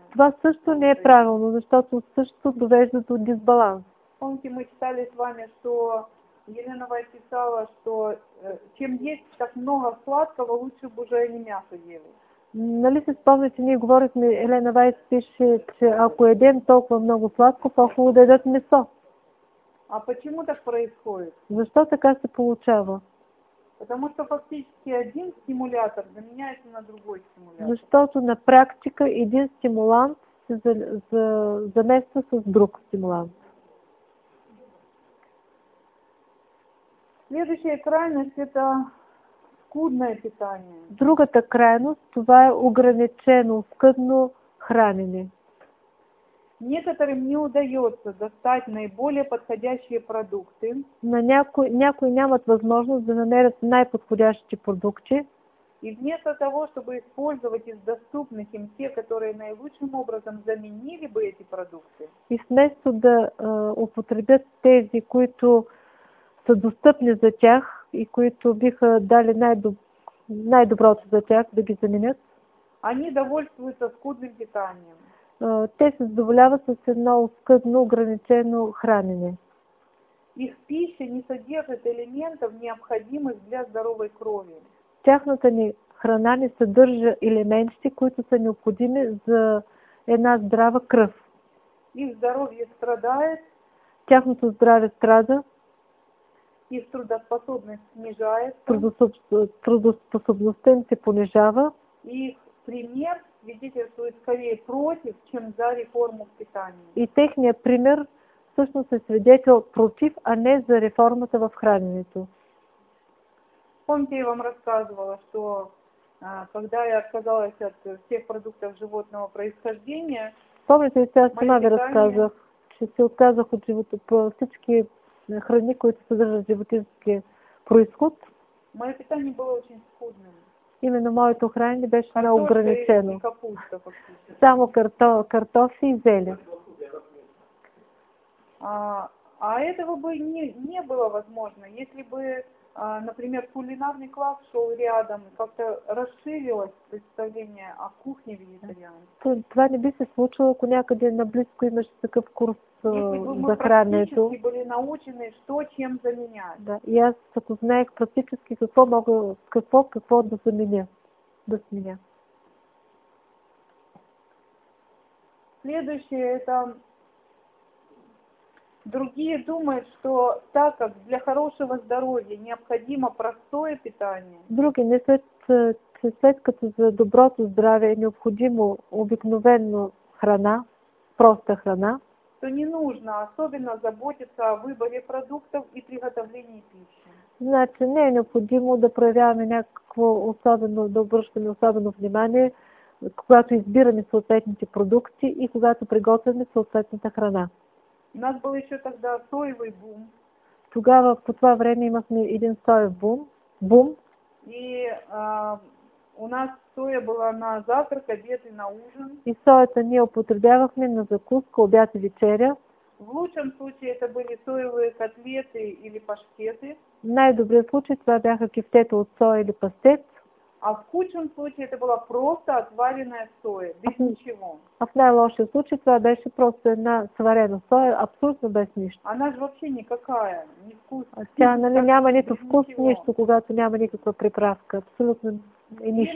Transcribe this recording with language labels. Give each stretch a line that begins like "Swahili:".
Bulgarian: Това също не е правилно, защото също довежда до дисбаланс.
Russian: Помните, мы читали с вами, что Елена Вайт писала, что чем есть так много сладкого, лучше бы уже не мясо ели.
Bulgarian: Нали се спомните, ние говорихме, Елена Вайт пише, че ако едем толкова много сладко, по-хубаво да едат месо.
Russian: А почему так происходит?
Bulgarian: Защо така се получава?
Russian: Потому что фактически один стимулятор заменяется на другой стимулятор.
Bulgarian: Защото на практика един стимулант се замества с друг стимулант.
Russian: Следующая крайность – это скудное питание.
Bulgarian: Другата крайност – това е ограничено, скъдно хранене.
Russian: Некоторым не удается достать наиболее подходящие продукты.
Bulgarian: На някои нямат възможност да намерят най-подходящите продукти.
Russian: И вместо того, чтобы использовать из доступных им те, которые наилучшим образом заменили бы эти продукты.
Bulgarian: И вместо да употребят тези, които са достъпни за тях и които биха дали най-доброто за тях да ги заменят.
Russian: Они довольствуются скудным питанием.
Bulgarian: Те се задоволяват с едно скъдно, ограничено хранене.
Russian: Их пища
Bulgarian: не съдържат
Russian: елементов, необходимых для здоровой крови.
Bulgarian: Тяхната ни храна не съдържа елементите, които са необходими за една здрава кръв.
Russian: Их здоровье страдает.
Bulgarian: Тяхното здраве страда.
Russian: Их трудоспособность снижается.
Bulgarian: Трудоспособността им се понижава.
Russian: Их пример свидетельствует скорее против, чем за реформу в питании.
Bulgarian: И техният пример всъщност е свидетел против, а не за реформата в храненето.
Russian: Помните, я вам рассказывала, что когда я отказалась от всех продуктов животного происхождения, помните, я сама питание...
Bulgarian: ви разказах, че се отказах от всички храни, които съдържат животински происход.
Russian: Мое питание было очень скудным.
Bulgarian: Именно моето хранение беше много ограничено.
Russian: И капуста,
Bulgarian: само картофи и зеле.
Russian: А этого бы не было
Bulgarian: възможно,
Russian: если бы, например, кулинарный класс шел рядом, как-то расширилось представление о кухне вегетарианской.
Bulgarian: Това не би се случило, ако някъде наблизко имаш такъв курс за храненето.
Russian: Если бы мы практически были научены, что чем заменять.
Bulgarian: Да, и аз ако знаех практически какво мога, какво да заменя. Да сменя.
Russian: Следующее это... Другие думают, что так как для хорошего здоровья необходимо простое питание.
Bulgarian: Другие мислят, что след като за доброто здраве необходимо обикновенно храна, просто храна.
Russian: То не нужно особенно заботиться о выборе продуктов и приготовлении пищи.
Bulgarian: Значи не е необходимо да проявяваме някакво особено, да обръщаме особено внимание когато избираме съответните продукти и когато приготвяме съответната храна.
Russian: У нас был еще тогда соевый бум.
Bulgarian: Тогава по това време имахме един соев бум.
Russian: И у нас соя была на завтрак, обед и на ужин.
Bulgarian: И соята ние употребявахме на закуска, обяд и вечеря.
Russian: В лучшем случае это были соевые котлеты или паштеты.
Bulgarian: В най-добрия случай това бяха кефтета от соя или пастет.
Russian: А в худшем случае это была просто отваренная соя, без ничего.
Bulgarian: А в най-лошия случай това беше просто една сварена соя, абсолютно без нищо.
Russian: Она же вообще никакая, не вкусная.
Bulgarian: Тя, нали, няма нито вкус, нищо, когато няма никаква приправка, абсолютно и нищо.